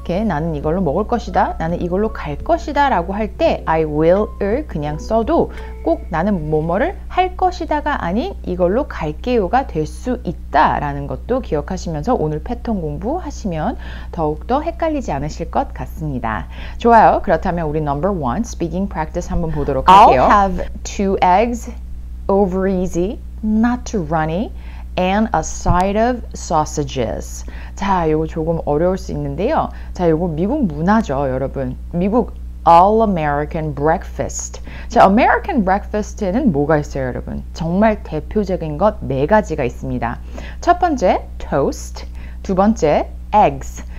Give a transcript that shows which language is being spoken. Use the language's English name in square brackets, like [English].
[Korean] 나는 이걸로 먹을 것이다, 나는 이걸로 갈 것이다 라고 할 때 I will을 그냥 써도 꼭 나는 뭐뭐를 할 것이다가 아닌 이걸로 갈게요가 될 수 있다라는 것도 기억하시면서 오늘 패턴 공부하시면 더욱더 헷갈리지 않으실 것 같습니다. 좋아요. 그렇다면 우리 [English] number one speaking practice [Korean] 한번 보도록 할게요. [English] I'll have two eggs, over easy, not too runny. And a side of sausages. [Korean] 자, 이거 조금 어려울 수 있는데요. 자, 이거 미국 문화죠, 여러분. 미국 All American Breakfast. 자, American Breakfast에는 뭐가 있어요, 여러분? 정말 대표적인 것 네 가지가 있습니다. 첫 번째, toast. 두 번째, eggs.